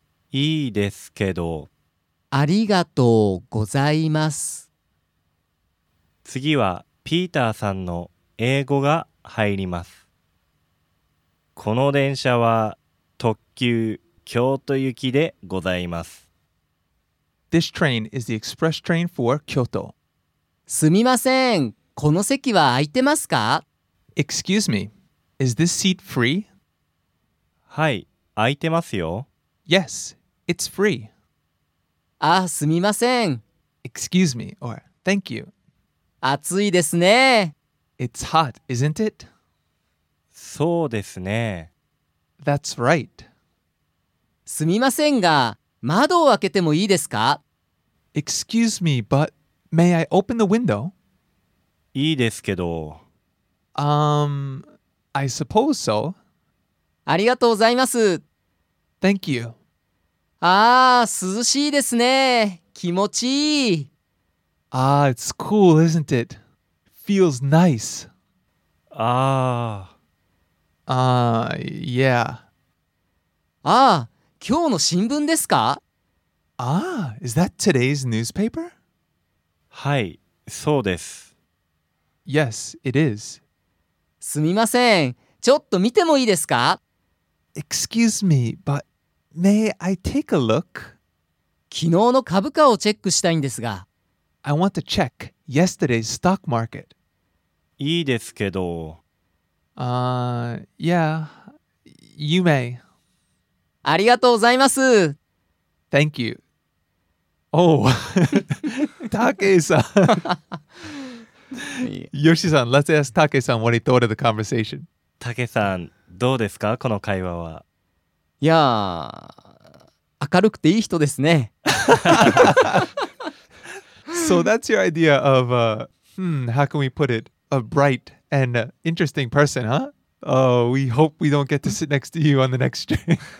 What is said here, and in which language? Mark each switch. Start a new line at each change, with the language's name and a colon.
Japanese: いいですけど。ありがとうございます。次はピーターさんの英語が入ります。この電車は特急京都行きでございます。
English: This train is the express train for Kyoto.
Japanese: すみません、この席は空いてますか？
English: Excuse me, is this seat free?
Japanese: はい、空いてますよ。
English: Yes, it's free.
Japanese: あ、すみません。
English: Excuse me or thank you.
Japanese: 暑いですね。
English: It's hot, isn't it?
Japanese: そうですね。
English: That's right.
Japanese: すみませんが、窓を開けてもいいですか？
English: Excuse me, but may I open the window?
Japanese: いいですけど。
English: I suppose so.
Japanese: ありがとうございます。
English: Thank you.
Japanese: ああ、涼しいですね。気持ちいい。
English: Ah, it's cool, isn't it? Feels nice.
Japanese: Ah, 今日の新聞ですか?
English: Ah, is that today's newspaper?
Japanese: はい、そうです。
English: Yes, it is.
Japanese: すみません、ちょっと見てもいいですか?
English: Excuse me, but may I take a look?
Japanese: 昨日の株価をチェックしたいんですが。
English: I want to check yesterday's stock market.
Japanese: いいですけど。
English: Yeah, you may.
Japanese: ありがとうございます。
English: Thank you. Oh, Take-san. Yoshi-san, let's ask Take-san what he thought of the conversation.
Japanese: Take-san, どうですか、この会話は。いやー、明るくていい人ですね。
English: So that's your idea of, how can we put it, a bright and interesting person, huh? We hope we don't get to sit next to you on the next train.